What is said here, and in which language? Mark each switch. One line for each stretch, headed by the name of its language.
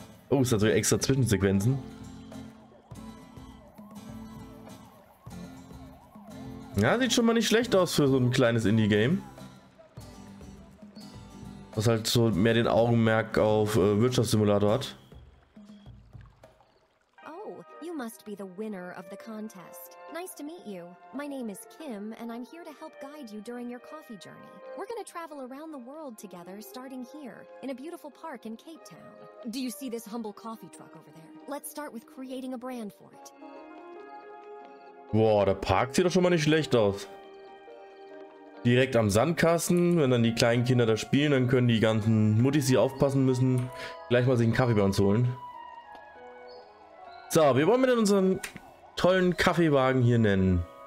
German: Oh, ist natürlich extra Zwischensequenzen. Ja, sieht schon mal nicht schlecht aus für so ein kleines Indie-Game. Was halt so mehr den Augenmerk auf Wirtschaftssimulator hat.
English: Oh, you must be the winner of the contest. Nice to meet you. My name is Kim and I'm here to help guide you during your coffee journey. We're gonna travel around the world together starting here in a beautiful park in Cape Town. Do you see this humble coffee truck over there? Let's start with creating a brand for it.
German: Boah, der Park sieht doch schon mal nicht schlecht aus. Direkt am Sandkasten, wenn dann die kleinen Kinder da spielen, dann können die ganzen Muttis, die aufpassen müssen, gleich mal sich einen Kaffee bei uns holen. So, wir wollen mit unseren tollen Kaffeewagen hier nennen.